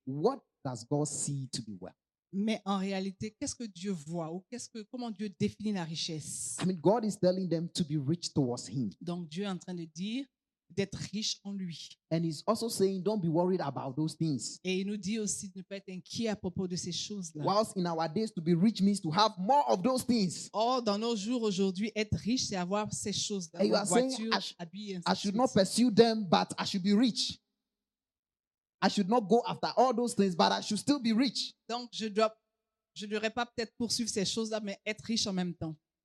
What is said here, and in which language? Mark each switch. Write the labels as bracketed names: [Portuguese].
[English] what does God see to be wealth? [French] Mais en réalité, qu'est-ce que Dieu voit ou comment Dieu définit la richesse? [English] I mean, God is telling them to be rich towards him. [French] Donc Dieu est en train de dire d'être riche en lui. [English] And he's also saying, don't be worried about those things. [French] Et il nous dit aussi de ne pas être inquiet à propos de ces choses-là. [English] Whilst in our days, to be rich means to have more of those things. [French] Or, dans nos jours aujourd'hui, être riche, c'est avoir ces choses-là. [English] And you are [French] voiture, [English] saying, I should not pursue them, but I should be rich. I should not go after all those things, but I should still be rich. [French] Donc, je devrais pas peut-être poursuivre ces choses-là, mais être riche en même temps.